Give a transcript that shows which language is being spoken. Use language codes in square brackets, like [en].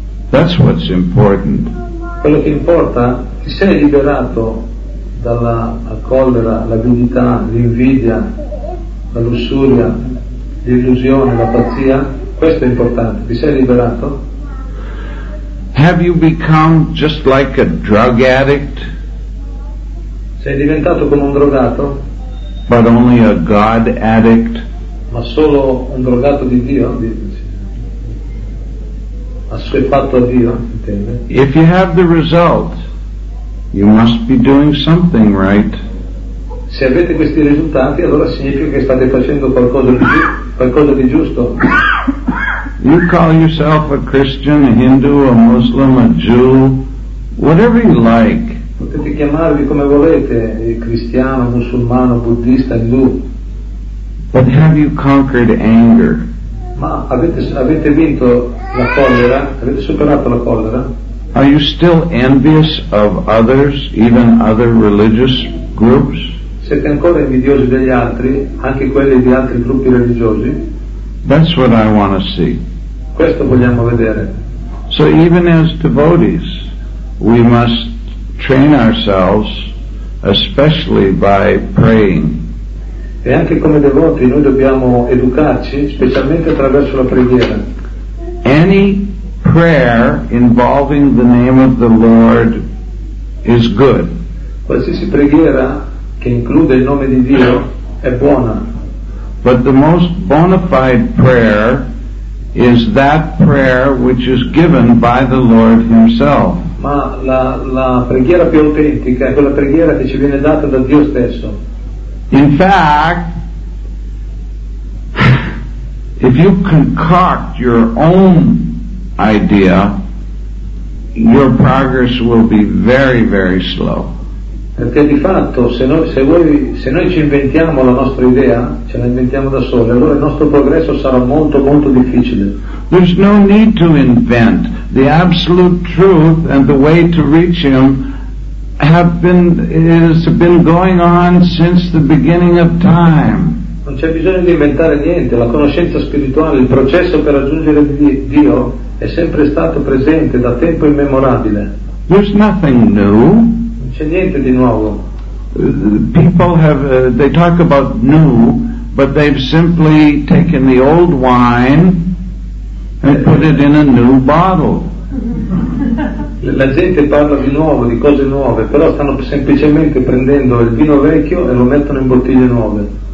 [en] That's what's important. [it] Quello che importa, ti sei liberato dalla collera, l'avidità, l'invidia, la lussuria, l'illusione, la pazzia? Questo è importante, ti sei liberato? [en] Have you become just like a drug addict? [it] Sei diventato come un drogato? [en] But only a God addict? [it] Ma solo un drogato di Dio? Assuefatto a Dio, intende? [en] If you have the result, you must be doing something right. [it] Se avete questi risultati, allora significa che state facendo qualcosa di giusto. [en] You call yourself a Christian, a Hindu, a Muslim, a Jew, whatever you like. [it] Potete chiamarvi come volete, cristiano, musulmano, buddista, indù. [en] But have you conquered anger? [it] Ma avete vinto la collera? Avete superato la collera? [en] Are you still envious of others, even other religious groups? [it] Siete ancora invidiosi degli altri, anche quelli di altri gruppi religiosi? [en] That's what I want to see. [it] Questo vogliamo vedere. [en] So even as devotees, we must train ourselves, especially by praying. [it] E anche come devoti noi dobbiamo educarci, specialmente attraverso la preghiera. [en] Any prayer involving the name of the Lord is good. [it] Qualsiasi preghiera che include il nome di Dio è buona. [en] But the most bona fide prayer is that prayer which is given by the Lord Himself. [it] Ma la preghiera più autentica è quella preghiera che ci viene data da Dio stesso. [en] In fact, if you concoct your own idea, your progress will be very, very slow. [it] Perché di fatto, se noi ci inventiamo la nostra idea, ce la inventiamo da soli, allora il nostro progresso sarà molto, molto difficile. [en] There's no need to invent. The absolute truth and the way to reach him has been going on since the beginning of time. [it] Non c'è bisogno di inventare niente. La conoscenza spirituale, il processo per raggiungere Dio, è sempre stato presente da tempo immemorabile. [en] There's nothing new. [it] Non c'è niente di nuovo. [en] People have they talk about new, but they've simply taken the old wine and put it in a new bottle. [it] La gente parla di nuovo, di cose nuove, però stanno semplicemente prendendo il vino vecchio e lo mettono in bottiglie nuove.